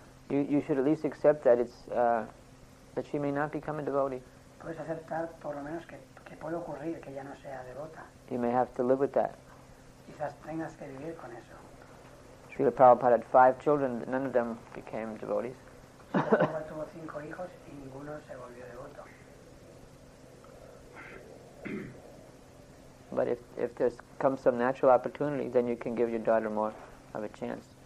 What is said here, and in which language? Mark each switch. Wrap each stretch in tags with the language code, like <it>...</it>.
<en>you should at least accept that it's that she may not become a devotee.</en> <es>Puedes aceptar por lo menos que puede ocurrir que ya no sea devota.</es> <en>You may have to live with that.</en> <es>Quizás tengas que vivir con eso.</es> <en>Srila Prabhupada had 5 children, but none of them became devotees.</en> <es>Tuvo 5 hijos y ninguno se volvió devoto.</es> <en>But if there comes some natural opportunity, then you can give your daughter more of a chance.</en>